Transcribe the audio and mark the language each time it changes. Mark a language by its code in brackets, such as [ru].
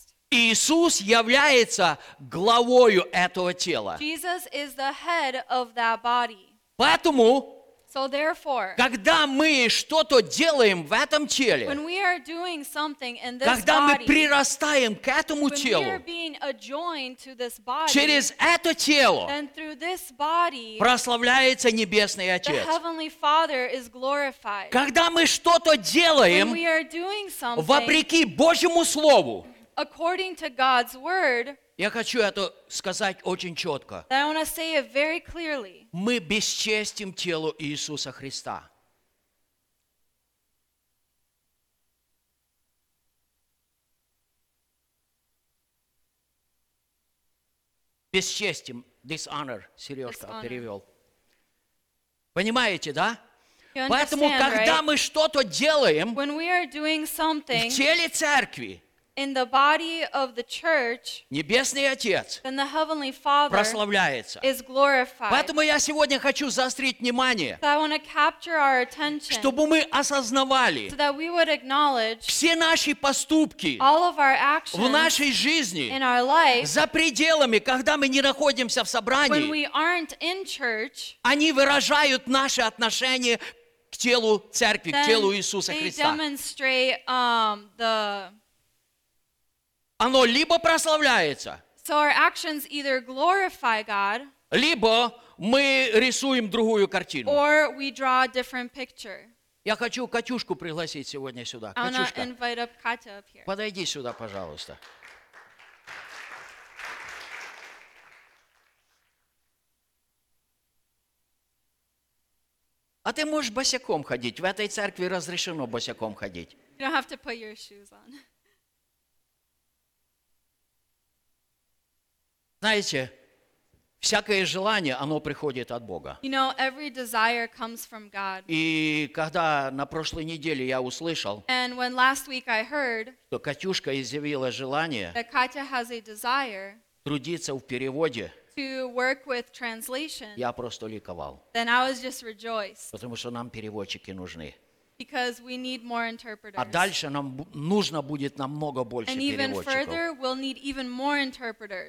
[ru] Иисус является главою этого тела. [en] Jesus is the head of that body. [ru] Поэтому, [en] so therefore, [ru] когда мы что-то делаем в этом теле, [en] when we are doing something in this [ru] когда [en] body, [ru] мы прирастаем к этому [en] when [ru] телу, [en] we are being adjoined to this body, [ru] через это тело [en] then through this body, [ru] прославляется Небесный Отец. [en] The Heavenly Father is glorified. [ru] Когда мы что-то делаем [en] when we are doing something, [ru] вопреки Божьему Слову, [en] according to God's word, [ru] я хочу это сказать очень четко. [en] I want to say it very clearly. [ru] Мы бесчестим тело Иисуса Христа. Бесчестим, [en] dishonor, [ru] Сережка перевел. Понимаете, да? Поэтому, когда [en] right? [ru] мы что-то делаем [en] when we are doing something, [ru] в теле церкви, [en] in the body of the church, [ru] Небесный Отец [en] then the Heavenly Father [ru] прославляется. [en] Is glorified. [ru] Поэтому я сегодня хочу заострить внимание, [en] so I want to capture our attention, [ru] чтобы мы осознавали, [en] so that we would acknowledge [ru] все наши поступки, [en] all of our actions [ru] в нашей жизни, [en] in our life, [ru] за пределами, когда мы не находимся в собрании, [en] when we aren't in church, [ru] они выражают наше отношение к телу церкви, к телу Иисуса [en] they [ru] Христа. [en] Demonstrate, the [ru] оно либо прославляется, [en] so our actions either glorify God, [ru] либо мы рисуем другую картину. [en] Or we draw a different picture. [ru] Я хочу Катюшку пригласить сегодня сюда. [en] I want to invite up Katya up here. [ru] Подойди сюда, пожалуйста. А ты можешь босиком ходить? В этой церкви разрешено босиком ходить. [en] You don't have to put your shoes on. [ru] Знаете, всякое желание, оно приходит от Бога. [en] You know, every desire comes from God. [ru] И когда на прошлой неделе я услышал, [en] and when last week I heard, [ru] что Катюшка изъявила желание [en] that Katya has a desire [ru] трудиться в переводе, [en] to work with translation, [ru] я просто ликовал. [en] Then I was just rejoiced. [ru] Потому что нам переводчики нужны. [en] Because we need more interpreters. [ru] А дальше нам нужно будет намного больше [en] and even [ru] переводчиков. [en] Further, we'll need even more interpreters.